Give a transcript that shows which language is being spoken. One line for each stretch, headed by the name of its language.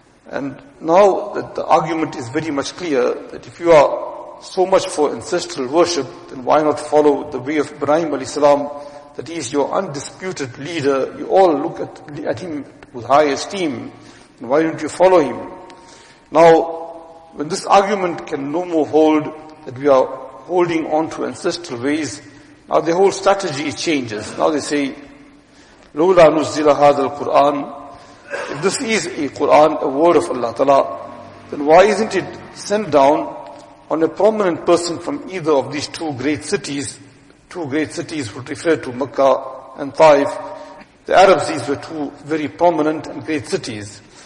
English: And now that the argument is very much clear, that if you are so much for ancestral worship, then why not follow the way of Ibrahim alayhi salam, that he is your undisputed leader, you all look at him with high esteem, and why don't you follow him? Now, when this argument can no more hold, that we are holding on to ancestral ways, now the whole strategy changes. Now they say,
Arabic: لَوْلَا نُزِّلَ هَذَا الْقُرْآنِ.
English: If this is a Qur'an, a word of Allah Ta'ala, then why isn't it sent down on a prominent person from either of these two great cities? Two great cities would refer to Mecca and Taif. The Arabs, these were two very prominent and great cities.